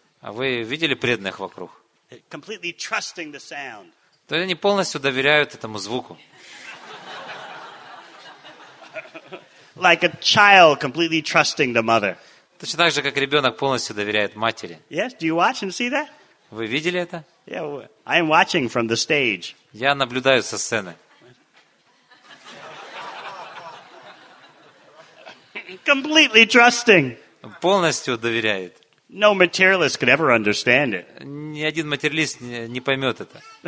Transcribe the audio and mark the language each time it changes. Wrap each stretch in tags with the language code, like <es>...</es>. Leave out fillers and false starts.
<ru>А вы видели преданных вокруг?</ru> <en>Completely trusting the sound.</en> <ru>То они полностью доверяют этому звуку.</ru> <en>Like a child completely trusting the mother.</en> <ru>Точно так же, как ребенок полностью доверяет матери.</ru> <en>Yes, do you watch and see that?</en> <ru>Вы видели это?</ru> <en>Yeah, I'm watching from the stage.</en> <ru>Я наблюдаю со сцены.</ru> <en>Completely trusting.</en> <ru>Полностью доверяет.</ru> <en>No materialist could ever understand it.</en> <ru>Ни один материалист не поймет это.</ru>